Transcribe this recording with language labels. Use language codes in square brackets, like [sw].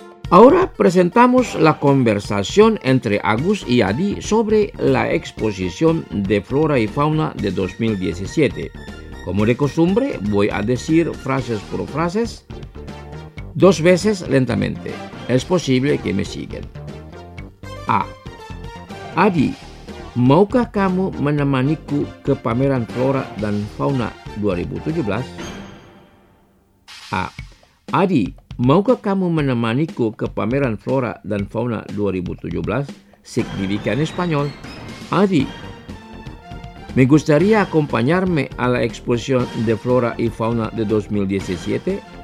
[es] Ahora presentamos la conversación entre Agus y Adi sobre la exposición de flora y fauna de 2017. Como de costumbre, voy a decir frases por frases, dos veces lentamente. Es posible que me sigan. A. [id] Adi, maukah kamu menemaniku ke pameran flora dan fauna 2017? A. Adi, maukah kamu menemaniku ke pameran flora dan fauna 2017? [es] Significan español. Adi, me gustaría acompañarme a la exposición de flora y fauna de 2017.